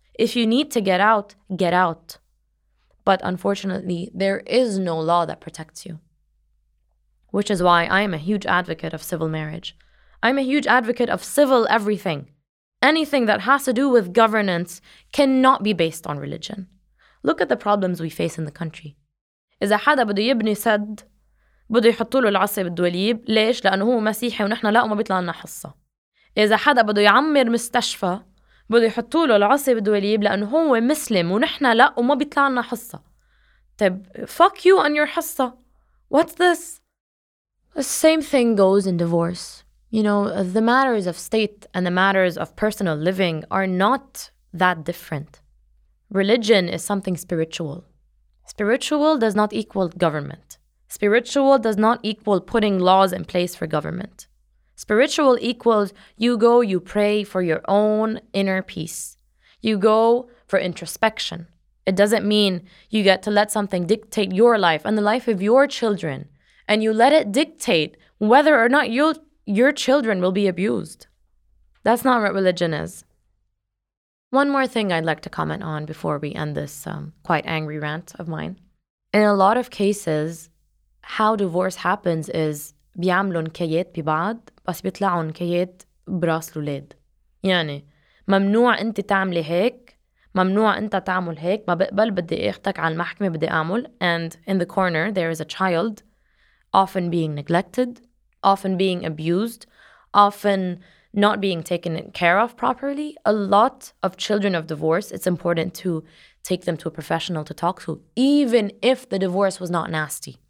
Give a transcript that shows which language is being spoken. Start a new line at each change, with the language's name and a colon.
English: If you need to get out, get out. But unfortunately, there is no law that protects you. Which is why I am a huge advocate of civil marriage. I'm a huge advocate of civil everything. Anything that has to do with governance cannot be based on religion. Look at the problems we face in the country.
Arabic: إذا حدا بده يبني سد بده يحطوا له العصي بالدوليب. ليش؟ لأنه هو مسيحي ونحن لا وما بيطلع لنا حصة. إذا حدا بده يعمر مستشفى بده يحطوا له العصي بالدوليب لأنه هو مسلم ونحن لا وما بيطلع لنا حصة. تا طيب
English: fuck you on your حصة. What's this? The same thing goes in divorce. You know, the matters of state and the matters of personal living are not that different. Religion is something spiritual. Spiritual does not equal government. Spiritual does not equal putting laws in place for government. Spiritual equals you go, you pray for your own inner peace. You go for introspection. It doesn't mean you get to let something dictate your life and the life of your children, and you let it dictate whether or not your children will be abused. That's not what religion is. One more thing I'd like to comment on before we end this quite angry rant of mine. In a lot of cases, how divorce happens is
Arabic: بيعملون كيات ببعض بس بيطلعون كيات براس الولاد. يعني ممنوع انت تعملي هيك, ممنوع انت تعمل هيك, ما بقبل, بدي اختك على المحكمة بدي اعمل.
English: And in the corner, there is a child often being neglected, often being abused, often not being taken care of properly. A lot of children of divorce, it's important to take them to a professional to talk to, even if the divorce was not nasty.